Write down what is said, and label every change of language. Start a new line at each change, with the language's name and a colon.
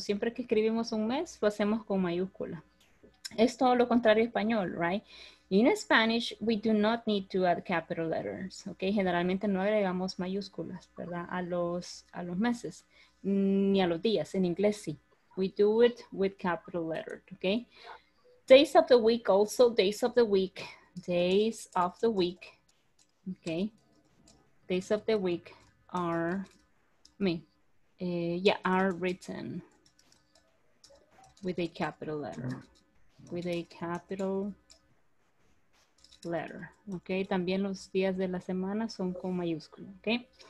Spanish: Siempre que escribimos un mes, lo hacemos con mayúscula. Es todo lo contrario a español, right?
English: In Spanish, we do not need to add capital letters.
Spanish: Okay, generalmente no agregamos mayúsculas, ¿verdad? A los meses, ni a los días. En inglés, sí.
English: We do it with capital letter, okay? Days of the week, also days of the week. Days of the week, okay? Days of the week are written with a capital letter. With a capital letter, okay?
Spanish: También los días de la semana son con mayúscula, okay?